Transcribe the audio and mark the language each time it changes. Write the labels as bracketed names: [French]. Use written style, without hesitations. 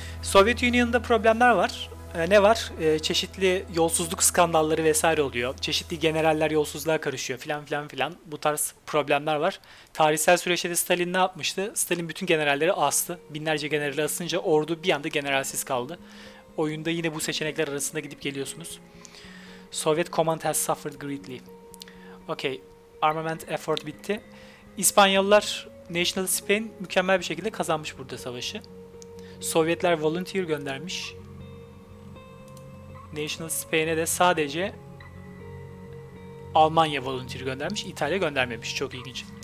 [Turkish] Soviet Union'da problemler var. Ne var? Çeşitli yolsuzluk skandalları vesaire oluyor. Çeşitli generaller yolsuzluğa karışıyor filan filan filan. Bu tarz problemler var. Tarihsel süreçte Stalin ne yapmıştı? Stalin bütün generalleri astı. Binlerce generali asınca ordu bir anda generalsiz kaldı. oyunda yine bu seçenekler arasında gidip geliyorsunuz. [English] Soviet command has suffered greatly. [Turkish] Okay, armament effort bitti. İspanyollar, National Spain mükemmel bir şekilde kazanmış burada savaşı. Sovyetler volunteer göndermiş. National Spain'e de sadece Almanya volunteer göndermiş, İtalya göndermemiş. Çok ilginç.